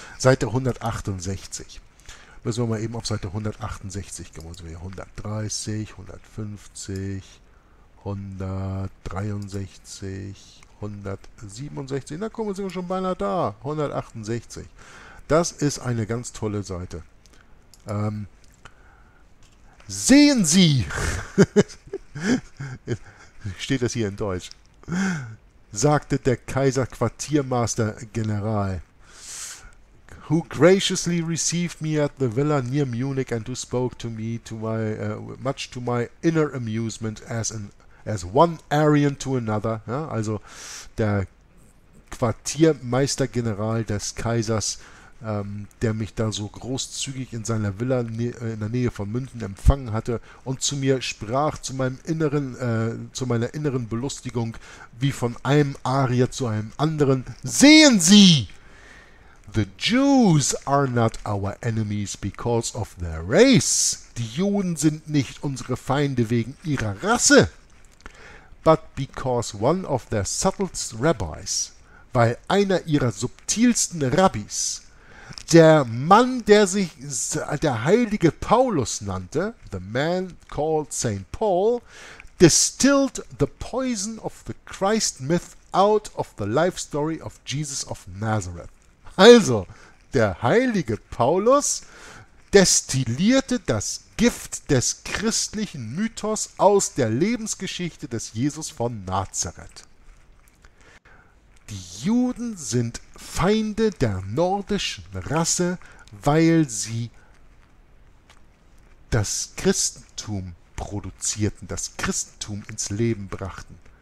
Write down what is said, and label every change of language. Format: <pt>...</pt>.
<de>Seite 168. Müssen wir mal eben auf Seite 168 gehen, also 130, 150, 163, 167, da kommen wir schon beinahe da, 168. Das ist eine ganz tolle Seite. Sehen Sie, steht das hier in Deutsch, sagte der Kaiser-Quartiermaster-General,</de> <en>who graciously received me at the villa near Munich and who spoke to me to my much to my inner amusement as one Aryan to another.</en> <de>Ja, also der Quartiermeister-General des Kaisers, der mich da so großzügig in seiner Villa in der Nähe von München empfangen hatte und zu mir sprach, zu meiner inneren Belustigung, wie von einem Arier zu einem anderen: Sehen Sie!</de> <en>The Jews are not our enemies because of their race.</en> <de>Die Juden sind nicht unsere Feinde wegen ihrer Rasse.</de> <en>But because one of their subtlest rabbis,</en> <de>weil einer ihrer subtilsten Rabbis, der Mann, der sich der heilige Paulus nannte,</de> <en>the man called St. Paul, distilled the poison of the Christ myth out of the life story of Jesus of Nazareth.</en> <de>Also, der heilige Paulus destillierte das Gift des christlichen Mythos aus der Lebensgeschichte des Jesus von Nazareth. Die Juden sind Feinde der nordischen Rasse, weil sie das Christentum produzierten, das Christentum ins Leben brachten.</de>